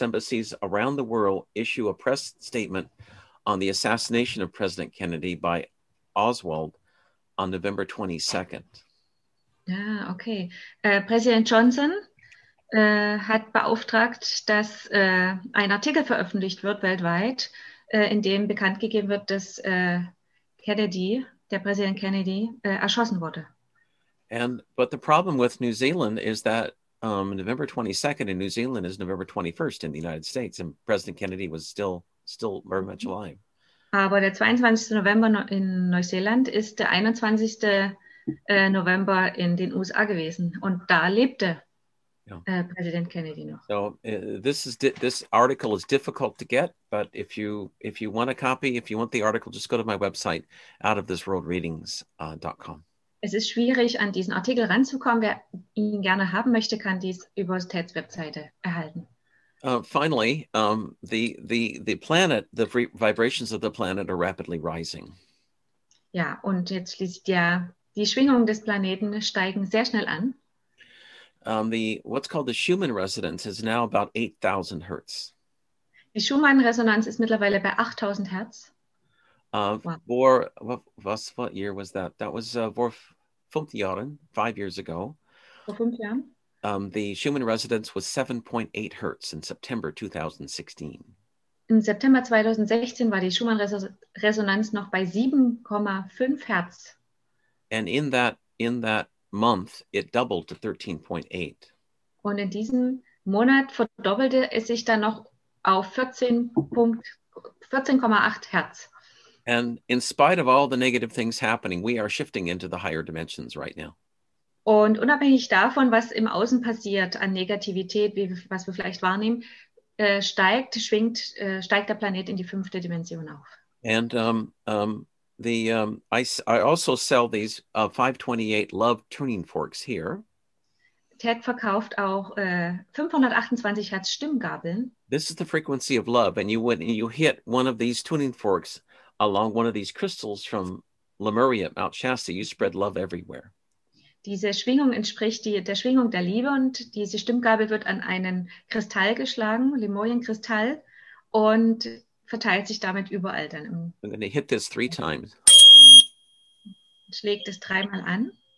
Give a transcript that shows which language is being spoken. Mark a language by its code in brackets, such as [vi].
[en] embassies around the world issue a press statement on the assassination of President Kennedy by Oswald on November 22nd. Ah, okay. [de] Präsident Johnson hat beauftragt, dass ein Artikel veröffentlicht wird weltweit, in dem bekannt gegeben wird, dass der Präsident Kennedy erschossen wurde. [en] But the problem with New Zealand is that November 22nd in New Zealand is November 21st in the United States, and President Kennedy was still very much alive. [de] Aber der 22. November in Neuseeland ist der 21. November in den USA gewesen, und da lebte President Kennedy noch. [en] So this article is difficult to get, but if you want a copy, if you want the article, just go to my website, outofthisworldreadings.com. [de] Es ist schwierig, an diesen Artikel ranzukommen. Wer ihn gerne haben möchte, kann dies über Ted's Webseite erhalten. [en] Finally, the planet, the vibrations of the planet are rapidly rising. [de] Ja, und jetzt schließt die Schwingungen des Planeten steigen sehr schnell an. [en] What's called the Schumann resonance is now about 8,000 hertz. [de] Die Schumann-Resonanz ist mittlerweile bei 8,000 hertz. [en] What year was that? That was [de] vor 5 Jahren, [en] 5 years ago. [de] Vor 5 Jahren. [en] The Schumann resonance was 7.8 hertz in September 2016. [de] In September 2016 war die Schumann-Resonanz noch bei 7,5 hertz. [en] And in that month, it doubled to 13.8. [de] Und in diesem Monat verdoppelte es sich dann noch auf 14,8 Hertz. [en] And in spite of all the negative things happening, we are shifting into the higher dimensions right now. [de] Und unabhängig davon, was im Außen passiert an Negativität, was wir vielleicht wahrnehmen, steigt der Planet in die fünfte Dimension auf. [en] And I also sell these 528 love tuning forks here. [de] Ted verkauft auch 528 Hertz Stimmgabeln. [en] This is the frequency of love, and you hit one of these tuning forks along one of these crystals from Lemuria at Mount Shasta. You spread love everywhere. [de] Diese Schwingung entspricht der Schwingung der Liebe, und diese Stimmgabel wird an einen Kristall geschlagen, Lemurienkristall, und verteilt sich damit überall dann. [en] I'm going to hit this 3 times. [de] Schlägt es 3-mal an.